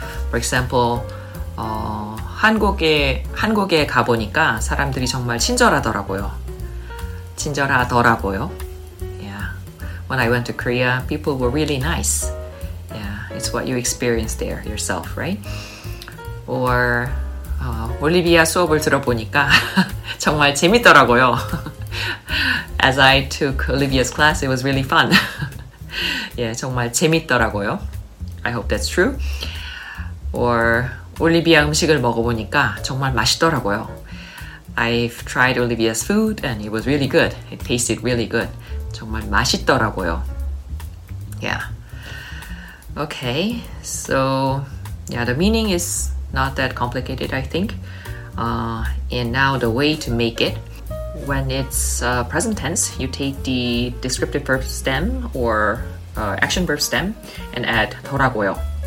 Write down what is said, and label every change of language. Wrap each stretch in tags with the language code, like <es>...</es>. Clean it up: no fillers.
<en>For example,</en> <ko>한국에 가보니까 사람들이 정말 친절하더라고요. 친절하더라고요.</ko> <en>When I went to Korea, people were really nice. Yeah, it's what you experienced there yourself, right?</en> <ko>Or, 올리비아 수업을 들어보니까 정말 재밌더라고요.</ko> <en>As I took Olivia's class, it was really fun. Yeah,</en> <ko>정말 재밌더라고요.</ko> <en>I hope that's true.</en> <ko>Or, 올리비아 음식을 먹어보니까 정말 맛있더라고요.</ko> <en>I've tried Olivia's food and it was really good. It tasted really good.</en> <ko>정말 맛있더라고요.</ko> <en>Yeah. Okay. So, yeah, the meaning is not that complicated, I think. And now the way to make it. When it's present tense, you take the descriptive verb stem or action verb stem and add 더라고요.</en>